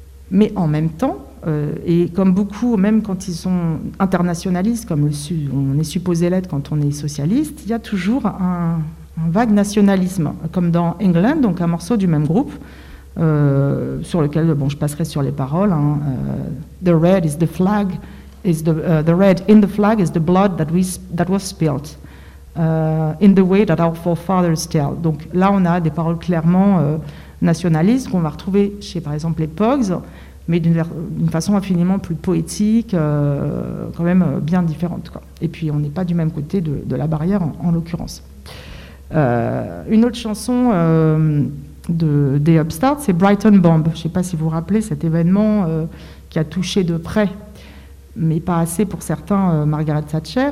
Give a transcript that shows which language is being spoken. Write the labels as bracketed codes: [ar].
[fr] Mais en même temps, et comme beaucoup, même quand ils sont internationalistes, comme on est supposé l'être quand on est socialiste, il y a toujours un vague nationalisme, comme dans England, donc un morceau du même groupe, sur lequel je passerai sur les paroles. [en] The red is the flag, the red in the flag is the blood that was spilled in the way that our forefathers tell. [fr] Donc là, on a des paroles clairement nationalistes qu'on va retrouver chez, par exemple, les Pogues, mais d'une façon infiniment plus poétique, quand même bien différente, quoi. Et puis, on n'est pas du même côté de la barrière, en l'occurrence. Une autre chanson des Upstarts, c'est Brighton Bomb. Je ne sais pas si vous vous rappelez cet événement qui a touché de près, mais pas assez pour certains, Margaret Thatcher.